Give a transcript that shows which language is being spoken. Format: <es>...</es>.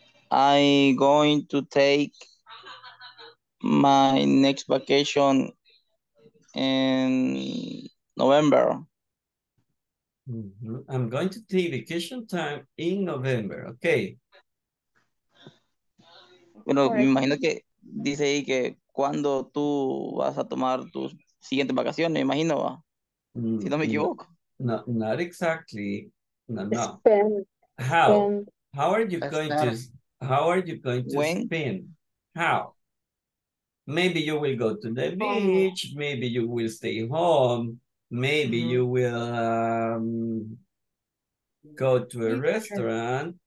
<en>I'm going to take my next vacation in November. Mm-hmm. I'm going to take vacation time in November. Okay.</en> <es>Bueno, me imagino que dice ahí que cuando tú vas a tomar tus siguiente vacación, me imagino, si no me equivoco.</es> <en>No, not exactly. No, no. How are you going to How are you going to spin? How? Maybe you will go to the beach. Maybe you will stay home. Maybe you will go to a restaurant.</en>